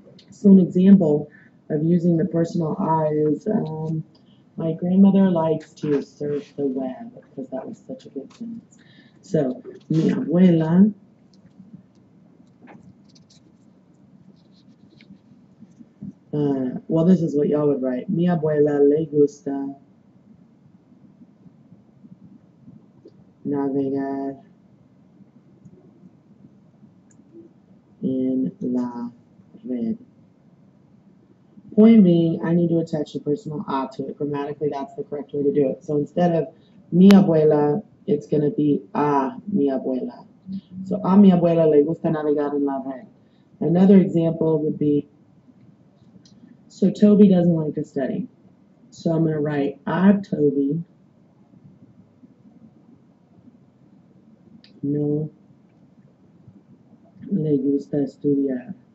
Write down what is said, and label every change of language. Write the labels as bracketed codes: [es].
[en] So an example of using the personal I is my grandmother likes to surf the web because that was such a good sentence. So, [es] mi abuela [en] well, this is what y'all would write. [es] Mi abuela le gusta navegar en la red. [en] Point being, I need to attach the personal a to it. Grammatically, that's the correct way to do it. So instead of [es] mi abuela, [en] it's going to be [es] a mi abuela. So a mi abuela le gusta navegar en la red. [en] Another example would be, so Toby doesn't like to study. So I'm going to write [es] a Toby no le gusta estudiar.